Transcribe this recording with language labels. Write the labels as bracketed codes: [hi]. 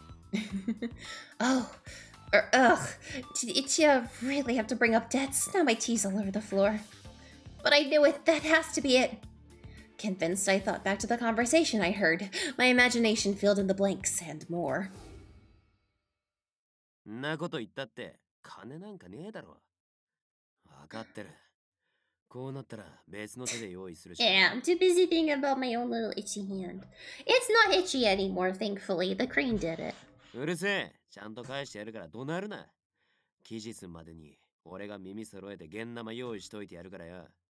[en] Did Ichiya really have to bring up debts? Now my tea's all over the floor. But I knew it, that has to be it. Convinced, I thought back to the conversation I heard. My imagination filled in the blanks and more. [ja] なこと言ったって、金なんかねえだろ。わかってる。 [en] I'm too busy thinking about my own little itchy hand. It's not itchy anymore, thankfully. The crane did it. [ja] うるせえ。ちゃんと返してやるから怒鳴るな。期日までに俺が耳揃えて現生用意しといてやるからよ。